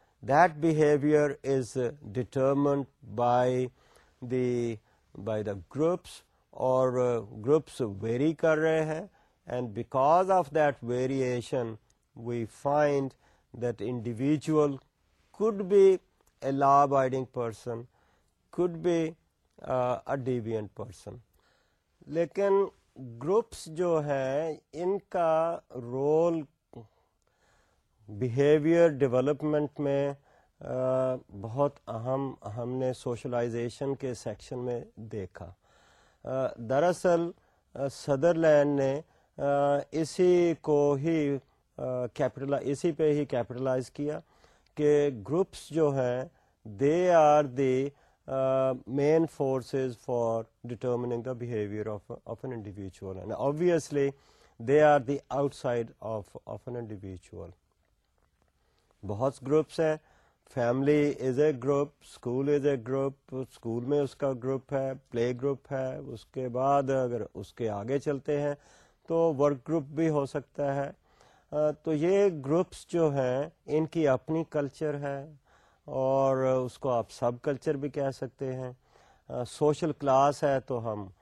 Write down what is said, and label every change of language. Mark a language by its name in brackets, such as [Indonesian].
[English] that behaviour is determined by the groups, اور groups vary [Urdu] کر رہے ہیں, [English] And because of that variation we find that individual could be a law abiding person, could be a deviant person. [Urdu] لیکن groups جو ہیں ان کا role behaviour development میں بہت اہم, ہم نے سوشلائزیشن کے سیکشن میں دیکھا. دراصل سدرلینڈ نے اسی پہ ہی کیپٹلائز کیا کہ گروپس جو ہیں [English] They are the main forces for determining the behaviour of an individual, and obviously they are the outside of an individual. [Urdu] بہت گروپس ہیں, [English] family is a group, [Urdu] school is a group, school میں اس کا group ہے, play group ہے, اس کے بعد اگر اس کے آگے چلتے ہیں تو ورک گروپ بھی ہو سکتا ہے. تو یہ گروپس جو ہیں ان کی اپنی کلچر ہے, اور اس کو آپ سب کلچر بھی کہہ سکتے ہیں. سوشل کلاس ہے تو ہم